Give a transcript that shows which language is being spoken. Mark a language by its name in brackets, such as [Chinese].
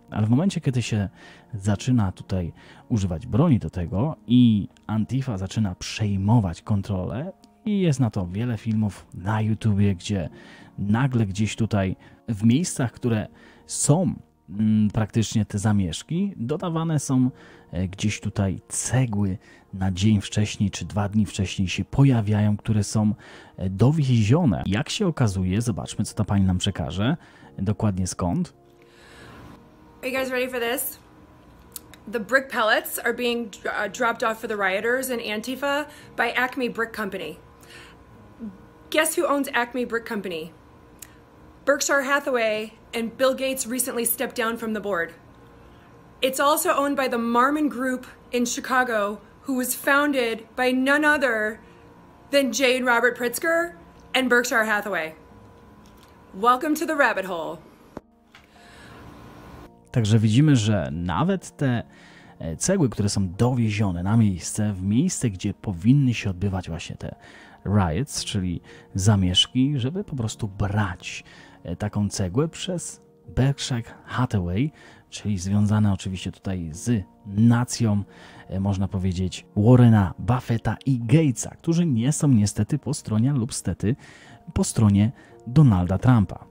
[Polish] Ale w momencie, kiedy się zaczyna tutaj używać broni do tego i Antifa zaczyna przejmować kontrolę, i jest na to wiele filmów na YouTubie, gdzie nagle gdzieś tutaj w miejscach, które są praktycznie te zamieszki, dodawane są gdzieś tutaj cegły na dzień wcześniej czy dwa dni wcześniej się pojawiają, które są dowiezione. Jak się okazuje, zobaczmy, co ta pani nam przekaże, dokładnie skąd. [English] Are you guys ready for this? The brick pellets are being dropped off for the rioters and Antifa by Acme Brick Company. Guess who owns Acme Brick Company? Berkshire Hathaway and Bill Gates recently stepped down from the board. It's also owned by the Marmon Group in Chicago, who was founded by none other than J. Robert Pritzker and Berkshire Hathaway. Welcome to the rabbit hole. [Polish] Także widzimy, że nawet te cegły, które są dowiezione na miejsce, w miejsce, gdzie powinny się odbywać właśnie te riots, czyli zamieszki, żeby po prostu brać taką cegłę przez Berkshire Hathaway, czyli związane oczywiście tutaj z nacją, można powiedzieć, Warrena Buffetta i Gatesa, którzy nie są niestety po stronie lub stety po stronie Donalda Trumpa.